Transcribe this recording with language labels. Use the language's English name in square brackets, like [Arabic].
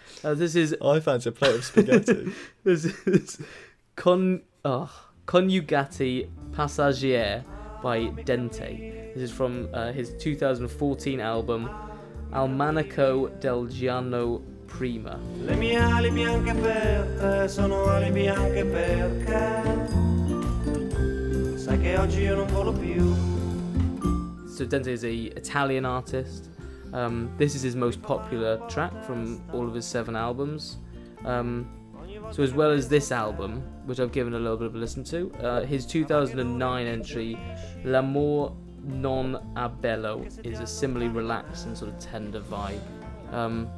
[English] This is... I fancy a plate of spaghetti. This is Coniugati Passagiere by Dente. This is from his 2014 album, Al Manico del Giano Prima. [Italian] Le mie ali bianche aperte sono ali bianche perché sai che oggi io non volo più. [English] So Dente is a Italian artist. This is his most popular track from all of his seven albums. So as well as this album, which I've given a little bit of a listen to, his 2009 entry, L'amor non a bello, is a similarly relaxed and sort of tender vibe.